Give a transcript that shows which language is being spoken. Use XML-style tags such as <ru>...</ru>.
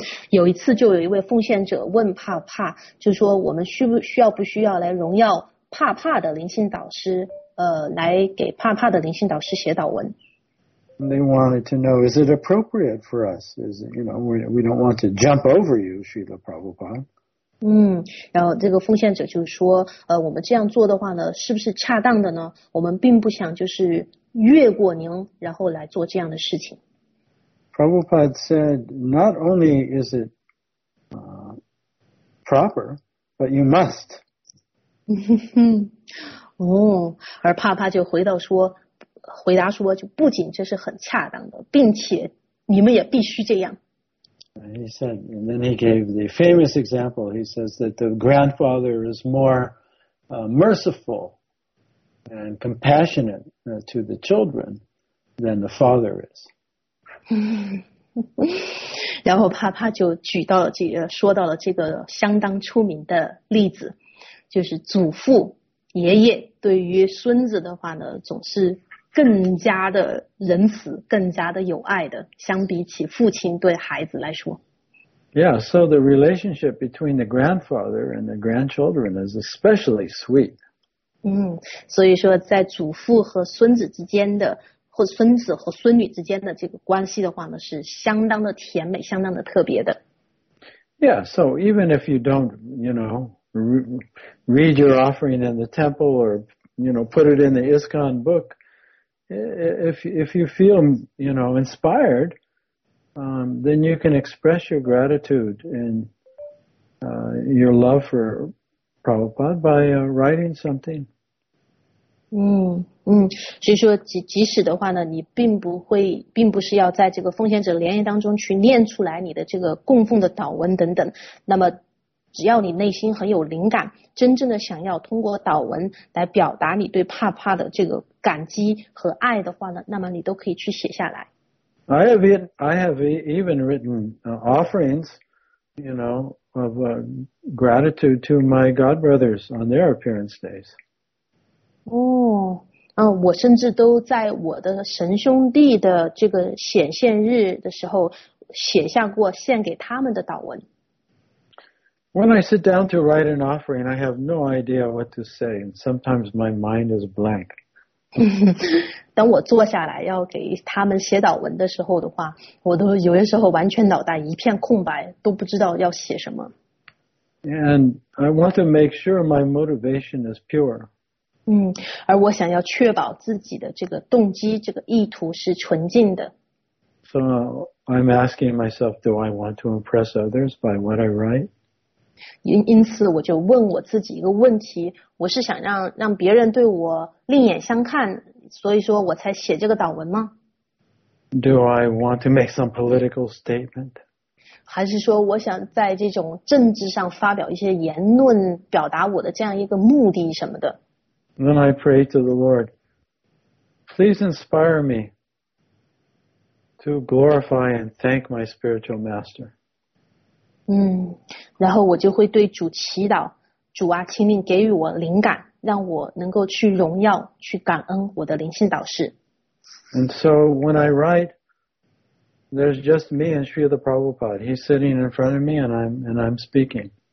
<zh>有一次就有一位奉献者问帕帕，就说我们需要不需要来荣耀帕帕的灵性导师，来给帕帕的灵性导师写祷文。</zh> <en>They wanted to know, is it appropriate for us? Is it, you know, we don't want to jump over you, Srila Prabhupada.</en> <zh>然后这个奉献者就说，我们这样做的话呢，是不是恰当的呢？我们并不想就是越过您，然后来做这样的事情。</zh> <en>Prabhupada said, not only is it proper, but you must.</en> <zh>而帕帕就回答说就不仅这是很恰当的，并且你们也必须这样。</zh> <en>He said, and then he gave the famous example. He says that the grandfather is more merciful and compassionate to the children than the father is.</en> <zh>然后帕帕就举到了说到了这个相当出名的例子，就是祖父爷爷对于孙子的话呢，总是更加的仁慈，更加的有爱的，相比起父亲对孩子来说。</zh> <en>Yeah, so the relationship between the grandfather and the grandchildren is especially sweet.</en> <zh>所以说在祖父和孙子之间的，或孙子和孙女之间的这个关系的话呢，是相当的甜美，相当的特别的。</zh> <en>Yeah, so even if you don't, you know, read your offering in the temple or, you know, put it in the ISKCON book, if you feel, you know, inspired, then you can express your gratitude and your love for Prabhupada by writing something.</en> <zh>所以说即使的话呢，你并不是要在这个奉献者联谊当中去念出来你的这个供奉的祷文等等，那么只要你内心很有灵感，真正的想要通过祷文来表达你对帕帕的这个感激和爱的话呢，那么你都可以去写下来。</zh> <en>I have even written offerings, you know, of gratitude to my godbrothers on their appearance days.</en> <zh>我甚至都在我的神兄弟的这个显现日的时候写下过献给他们的祷文。</zh> <en>When I sit down to write an offering, I have no idea what to say, and sometimes my mind is blank.</en> <zh>当我坐下来要给他们写祷文的时候的话，我都有些时候完全脑袋一片空白，都不知道要写什么。</zh> <en>And I want to make sure my motivation is pure.</en> <zh>而我想要确保自己的这个动机，这个意图是纯净的。</zh> <en>So I'm asking myself, do I want to impress others by what I write?</en> <zh>因此我就问我自己一个问题，我是想让别人对我另眼相看，所以说我才写这个祷文吗？</zh> <en>Do I want to make some political statement?</en> <zh>还是说我想在这种政治上发表一些言论，表达我的这样一个目的什么的？</zh> <en>Then I pray to the Lord, please inspire me to glorify and thank my spiritual master.</en> <zh>然后我就会对主祈祷，主啊，请你给予我灵感，让我能够去荣耀，去感恩我的灵性导师。</zh> <en>And so when I write, there's just me and Srila Prabhupada. He's sitting in front of me and I'm speaking.</en>